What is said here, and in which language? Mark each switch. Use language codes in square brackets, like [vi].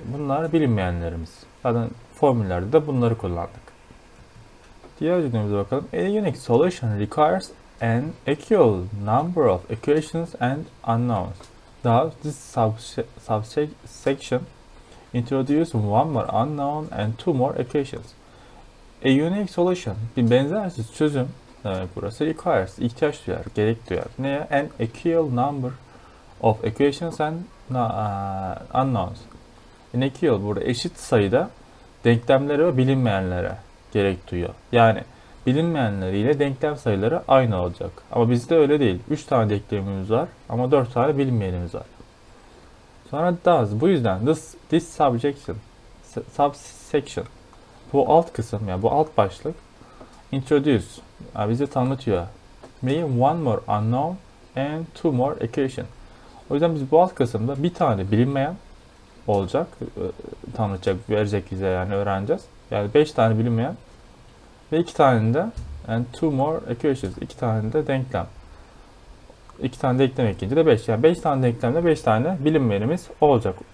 [tr] Bunlar bilinmeyenlerimiz. Zaten formüllerde de bunları kullandık. Diğer cümlemize bakalım. [en] A unique solution requires an equal number of equations and unknowns. Thus, this subsection introduces one more unknown and two more equations. A unique solution, [tr] bir benzersiz çözüm demek burası, requires, ihtiyaç duyar, gerek duyar. Neye? [en] An equal number of equations and unknowns. [tr] An equal, burada eşit sayıda denklemlere ve bilinmeyenlere gerek duyuyor. Yani bilinmeyenleri ile denklem sayıları aynı olacak. Ama bizde öyle değil. 3 tane denklemimiz var ama 4 tane bilinmeyenimiz var. Sonra does. Bu yüzden [en] this subsection. [tr] Bu alt kısım, yani bu alt başlık introduce. Yani bize tanıtıyor. [en] Me one more unknown and two more equation. [tr] O yüzden biz bu alt kısımda bir tane bilinmeyen olacak. Tanıtacak, verecek bize, yani öğreneceğiz. Yani 5 tane bilinmeyen ve iki tane de [en] and two more equations, [tr] iki tane de denklem. İki tane denklem ekleyince de 5. Yani 5 tane denklemde 5 tane bilinmeyenimiz olacak.